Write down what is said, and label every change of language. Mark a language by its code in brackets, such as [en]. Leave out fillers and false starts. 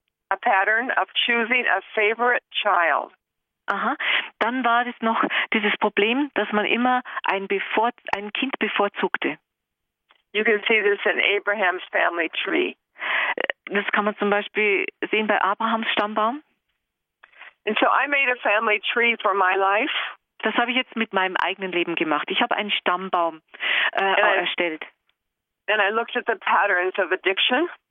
[en] A pattern of choosing a favorite child. [de] Aha, dann war das noch dieses Problem, dass man immer ein Kind bevorzugte. [en] You can see this in Abraham's family tree. [de] Das kann man zum Beispiel sehen bei Abrahams Stammbaum. [en] And so I made a family tree for my life. [de] Das habe ich jetzt mit meinem eigenen Leben gemacht. Ich habe einen Stammbaum erstellt. [en] And I looked at the patterns of addiction.